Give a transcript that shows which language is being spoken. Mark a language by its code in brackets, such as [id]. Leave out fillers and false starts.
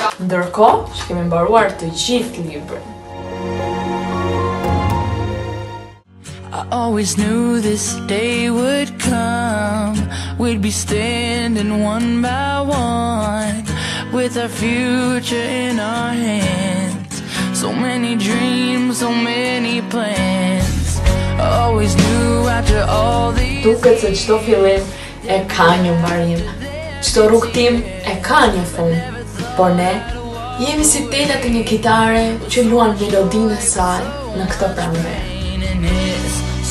[sq] Ndërkohë, kemi mbaruar të gjithë librin. [en] I always knew this day would come. We'd be standing one by one with our future in our hands. So many dreams, so many plans. I always knew after all these. [sq] Duket se çdo fillim e ka një mbarim. Çdo rrugtim e ka një fund. Por ne jemi si teta të një kitare që luan melodinë e saj në këtë pranverë.